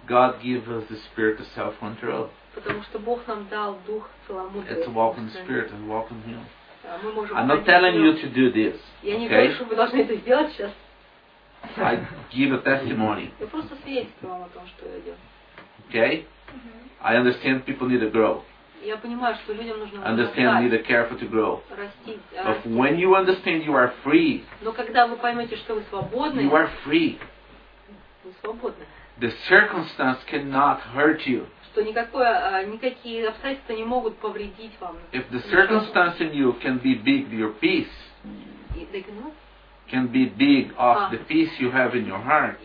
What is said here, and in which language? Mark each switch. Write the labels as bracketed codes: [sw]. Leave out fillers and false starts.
[en] God gave us the spirit of self-control. [ru] Потому что Бог нам дал дух целомудрия. [en] It's walk in the spirit and walk in Him. I'm not telling you to do this. [ru] Я не говорю, что вы должны это сделать сейчас. [en] I give a testimony. [ru] Я просто свидетельствую вам о том, что я делаю. [en] Okay? I understand people need to grow. [ru] Я понимаю, что людям нужно расти. [en] Understand need to careful to grow. [ru] Расти. [en] But when you understand you are free. [ru] Но когда вы поймете, что вы свободны. [en] You are free. [ru] Вы свободны. [en] The circumstance cannot hurt you. [ru] Что никакие обстоятельства не могут повредить вам. [en] If the circumstance in you can be big, your peace. Can be big off the peace you have in your heart.